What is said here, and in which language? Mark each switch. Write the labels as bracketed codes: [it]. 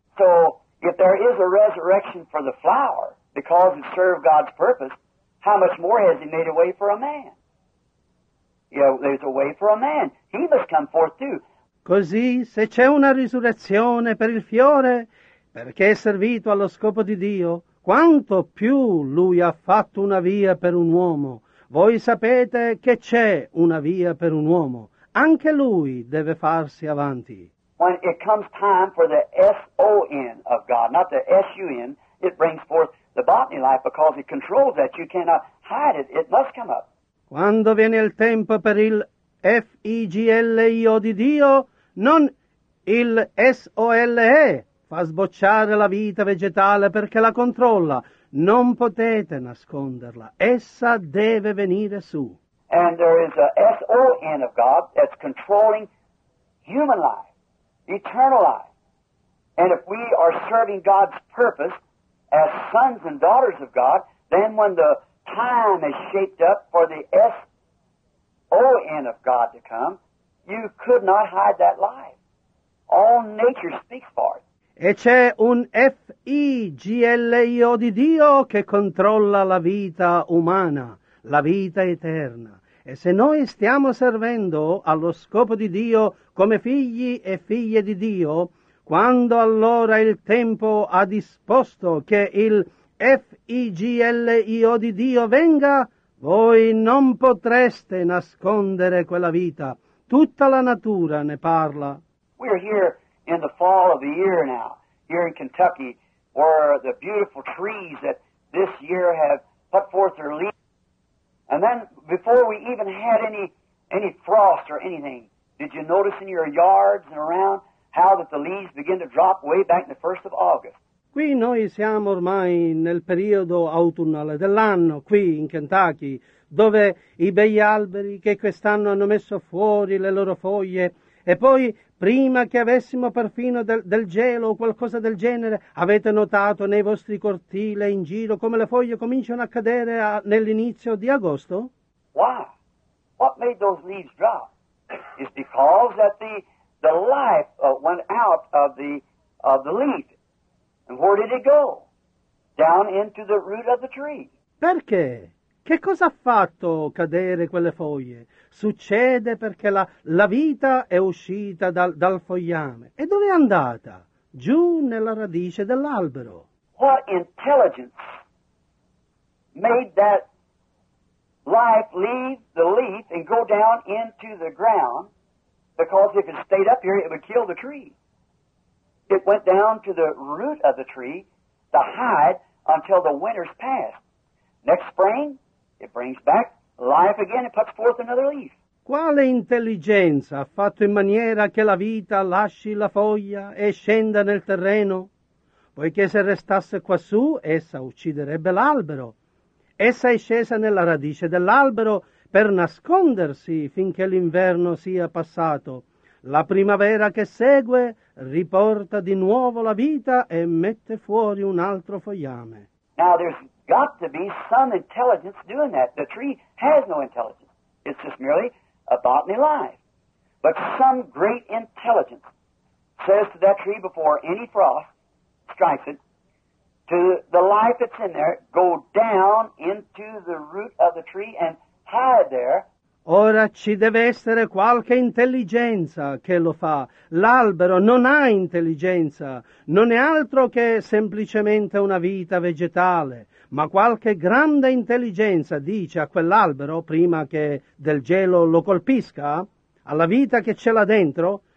[en] So, if there is a resurrection for the flower, because it served God's purpose, how much more has he made a way for a man? Yeah, there's a way for a man. He must come forth too. [it] Così, se c'è una risurrezione per il fiore, perché è servito allo scopo di Dio, quanto più lui ha fatto una via per un uomo. Voi sapete che c'è una via per un uomo. Anche lui deve farsi avanti. [en] When it comes time for the S-O-N of God, not the S-U-N, it brings forth the botany life because it controls that. You cannot hide it. It must come up. [it] Quando viene il tempo per il F-I-G-L-I-O di Dio, non il S-O-L-E fa sbocciare la vita vegetale perché la controlla. Non potete nasconderla. Essa deve venire su. [en] And there is a S-O-N of God that's controlling human life, eternal life. And if we are serving God's purpose as sons and daughters of God, then when the time is shaped up for the S-O-N of God to come, you could not hide that life. All nature speaks for it. [it] E c'è un F-I-G-L-I-O di Dio che controlla la vita umana, la vita eterna. E se noi stiamo servendo allo scopo di Dio come figli e figlie di Dio, quando allora il tempo ha disposto che il F-I-G-L-I-O di Dio venga, voi non potreste nascondere quella vita. Tutta la natura ne parla. [en] We're here in the fall of the year now, here in Kentucky, where the beautiful trees that this year have put forth their leaves. And then, before we even had any frost or anything, did you notice in your yards and around how that the leaves begin to drop way back in the 1st of August? [it] Qui noi siamo ormai nel periodo autunnale dell'anno, qui in Kentucky, dove i begli alberi che quest'anno hanno messo fuori le loro foglie, e poi prima che avessimo perfino del gelo o qualcosa del genere, avete notato nei vostri cortili in giro come le foglie cominciano a cadere nell'inizio di agosto? [en] Why? What made those leaves drop? It's because that the life went out of the leaf. And where did it go? Down into the root of the tree. [it] Perché? Che cosa ha fatto cadere quelle foglie? Succede perché la vita è uscita dal fogliame. E dove è andata? Giù nella radice dell'albero. [en] What intelligence made that life leave the leaf and go down into the ground? Because if it stayed up here, it would kill the tree. It went down to the root of the tree to hide until the winter's passed. Next spring, it brings back life again and puts forth another leaf. [it] Quale intelligenza ha fatto in maniera che la vita lasci la foglia e scenda nel terreno? Poiché se restasse quassù, essa ucciderebbe l'albero. Essa è scesa nella radice dell'albero per nascondersi finché l'inverno sia passato. La primavera che segue riporta di nuovo la vita e mette fuori un altro fogliame. [en] Now there's got to be some intelligence doing that. The tree has no intelligence. It's just merely a botany life. But some great intelligence says to that tree before any frost strikes it, to the life that's in there, go down into the root of the tree and hide there. [it] Ora ci deve essere qualche intelligenza che lo fa. L'albero non ha intelligenza, non è altro che semplicemente una vita vegetale. Ma qualche grande intelligenza dice a quell'albero, prima che del gelo lo colpisca, alla vita che c'è là dentro,